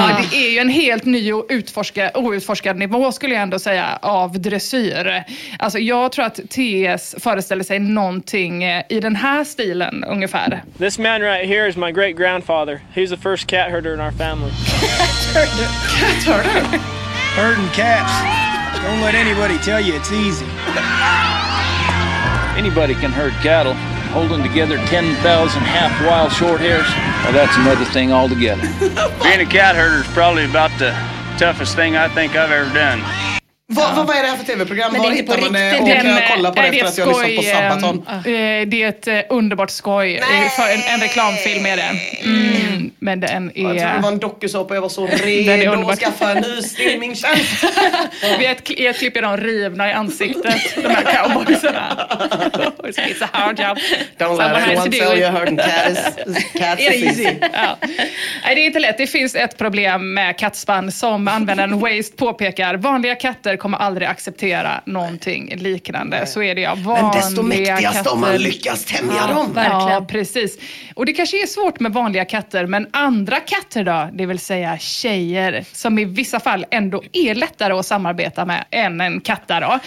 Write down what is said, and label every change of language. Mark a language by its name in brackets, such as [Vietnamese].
[Swedish] Det är ju en helt ny och outforskad nivå, skulle jag ändå säga, av dressyr. Alltså, jag tror att TS föreställer sig någonting i den här stilen ungefär. [English] This man right here is my great grandfather. He's the first cat herder in our family. Cat herder? Herding cats. Don't let anybody tell you it's easy. Anybody can herd cattle. Holding together 10,000 half wild short hairs. Well, that's another thing altogether. Being a cat herder is probably about the toughest thing I think I've ever done. [Swedish] Vad är det här för tv-program? Men det är inte på riktigt. Jag kolla på det efter att jag har lyssnat på Sabaton. Det är ett underbart skoj. För en reklamfilm är det. Men den är... Jag tror det var en dokusåpa och jag var så redo att skaffa en ny streamingtjänst. Vi har ett klipp i de rivna i ansiktet. De här cowboysarna. [English] It's a hard job. Don't let anyone sell your herd and cats. Easy. [Swedish] Ja. Det är inte lätt. Det finns ett problem med kattspann som användaren Waste påpekar. Vanliga katter kommer aldrig acceptera någonting liknande. Så är det, ja. Men desto mäktigast katter. Om man lyckas tämja dem. Verkligen. Ja, precis. Och det kanske är svårt med vanliga katter, men andra katter då, det vill säga tjejer, som i vissa fall ändå är lättare att samarbeta med än en katta då.